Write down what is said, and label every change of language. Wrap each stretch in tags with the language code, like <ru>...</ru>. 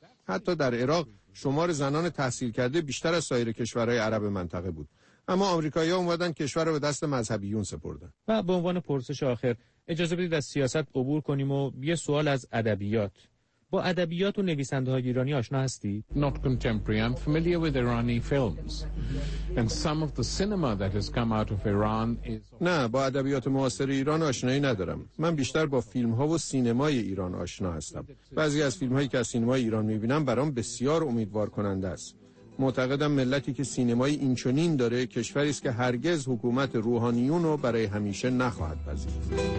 <fa>حتی در عراق شمار زنان تحصیل کرده بیشتر از سایر کشورهای عرب منطقه بود. اما آمریکایی‌ها اومدن کشور رو به دست مذهبیون سپردن. و به عنوان پرسش آخر، اجازه بدید از سیاست عبور کنیم و یه سوال از ادبیات. با ادبیات و نویسنده‌های ایرانی آشنا هستی؟</fa> <en>Not contemporary. I'm familiar with Iranian films. And some of the cinema that has come out of Iran is...</en> <fa>نه، با ادبیات معاصر ایران آشنایی ندارم. من بیشتر با فیلم‌ها و سینمای ایران آشنا هستم. بعضی از فیلم‌هایی که از سینمای ایران می‌بینم برام بسیار امیدوارکننده است. معتقدم ملتی که سینمای اینچنین داره کشوری است که هرگز حکومت روحانیون رو برای همیشه نخواهد پذیرفت.</fa>